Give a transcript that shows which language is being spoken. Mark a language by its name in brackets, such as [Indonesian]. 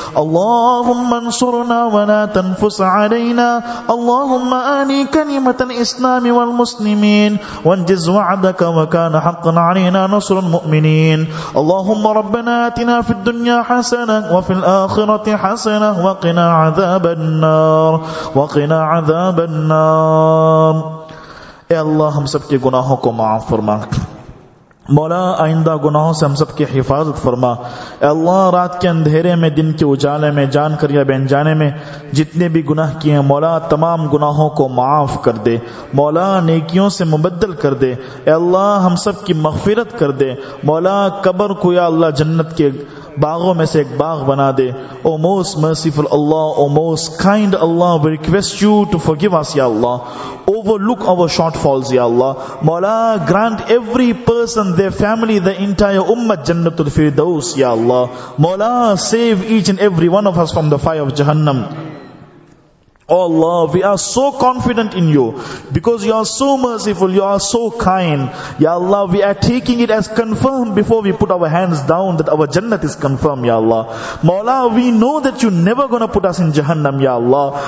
[Arabic] اللهم انصرنا ولا تنفس علينا اللهم آني كلمة الإسلام والمسلمين وانجز وعدك وكان حقا علينا نصر المؤمنين اللهم ربنا آتنا في الدنيا حسنة وفي الآخرة حسنة وقنا عذاب النار وقنا عذاب النار يا الله [Urdu] هم سبك گناہوں کو معاف فرما مولا آئندہ گناہوں سے ہم سب کی حفاظت فرما. اے اللہ رات کے اندھیرے میں دن کے اجالے میں جان کر یا بین جانے میں جتنے بھی گناہ کیے ہیں مولا تمام گناہوں کو معاف کر دے, مولا نیکیوں سے مبدل کر دے, اے اللہ ہم سب کی مغفرت کر دے, مولا قبر کو یا اللہ جنت کے باغوں میں سے ایک باغ بنا دے. [English] O most merciful Allah, o most kind Allah, we request you to forgive us یا Allah, overlook our shortfalls یا اللہ. مولا grant every person, their family, the entire امت جنت الفردوس یا اللہ. مولا save each and every one of us from the fire of جہنم. Oh Allah, we are so confident in you because you are so merciful, you are so kind. Ya Allah, we are taking it as confirmed before we put our hands down that our Jannat is confirmed, Ya Allah. Mawla, we know that you're never gonna put us in Jahannam, Ya Allah.